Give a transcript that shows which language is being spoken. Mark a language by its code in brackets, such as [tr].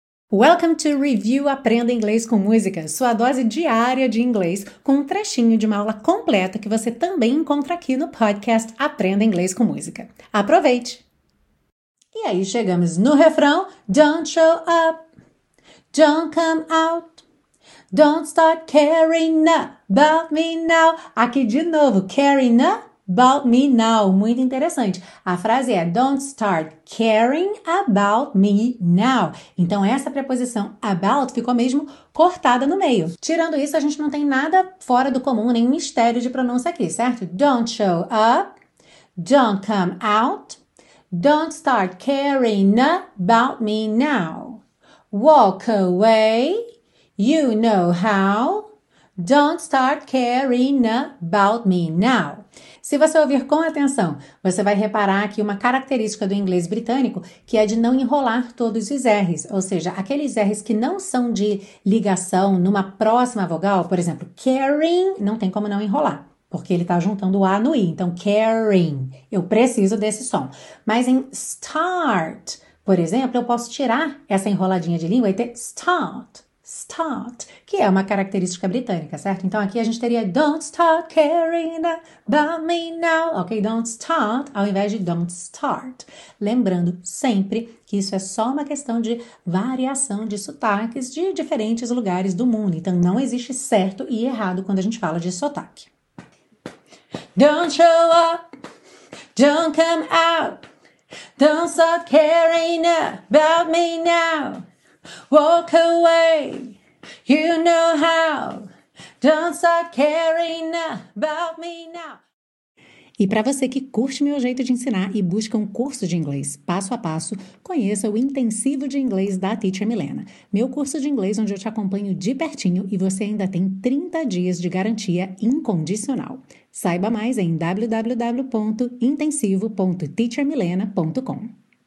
[pt] Welcome to Review Aprenda Inglês com Música, sua dose diária de inglês com um trechinho de uma aula completa que você também encontra aqui no podcast Aprenda Inglês com Música. Aproveite! E aí chegamos no refrão. [en] Don't show up, don't come out, don't start caring about me now. [pt] Aqui de novo, caring about me now. Muito interessante. A frase é don't start caring about me now. Então, essa preposição about ficou mesmo cortada no meio. Tirando isso, a gente não tem nada fora do comum, nem mistério de pronúncia aqui, certo? [en] Don't show up, don't come out, don't start caring about me now. Walk away, you know how. Don't start caring about me now. [pt] Se você ouvir com atenção, você vai reparar aqui uma característica do inglês britânico, que é de não enrolar todos os R's, ou seja, aqueles R's que não são de ligação numa próxima vogal, por exemplo, caring, não tem como não enrolar, porque ele está juntando o A no I, então caring, eu preciso desse som. Mas em start, por exemplo, eu posso tirar essa enroladinha de língua e ter start. Start, que é uma característica britânica, certo? Então, aqui a gente teria don't start caring about me now, ok? [en] Don't start, ao invés de don't start. [pt] Lembrando sempre que isso é só uma questão de variação de sotaques de diferentes lugares do mundo. Então, não existe certo e errado quando a gente fala de sotaque. [en] Don't show up, don't come out, don't start caring about me now. Walk away, you know how. Don't start caring about me now. [pt] E para você que curte meu jeito de ensinar e busca um curso de inglês passo a passo, conheça o Intensivo de Inglês da Teacher Milena. Meu curso de inglês onde eu te acompanho de pertinho e você ainda tem 30 dias de garantia incondicional. Saiba mais em www.intensivo.teachermilena.com.